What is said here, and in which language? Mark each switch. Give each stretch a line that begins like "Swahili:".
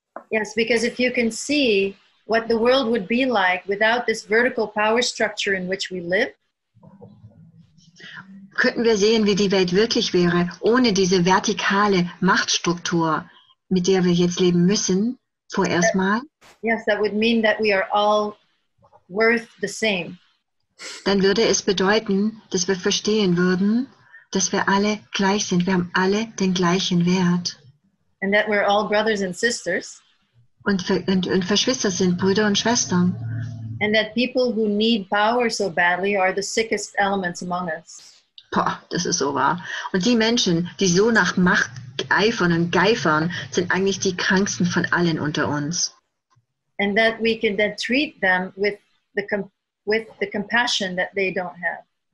English: Yes, because if you can see what the world would be like without this vertical power structure in which we live.
German: Könnten wir sehen, wie die Welt wirklich wäre, ohne diese vertikale Machtstruktur, mit der wir jetzt leben müssen, vorerst mal?
English: Yes, that would mean that we are all worth the same.
German: Dann würde es bedeuten, dass wir verstehen würden, dass wir alle gleich sind. Wir haben alle den gleichen Wert.
English: And that we're all brothers and sisters.
German: Und Verschwister sind Brüder und Schwestern.
English: And that people who need power so badly are the sickest elements among us.
German: Boah, das ist so wahr. Und die Menschen, die so nach Macht eifern und geifern, sind eigentlich die kranksten von allen unter uns.
English: And that we can then treat them with the compassion that they don't have.